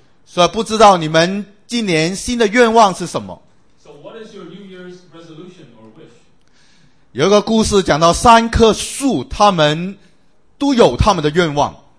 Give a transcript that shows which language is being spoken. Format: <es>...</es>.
<zh>所以不知道你们今年新的愿望是什么。</zh> <en>So what is your New Year's resolution or wish?</en> <zh>有一个故事讲到三棵树，他们都有他们的愿望。</zh>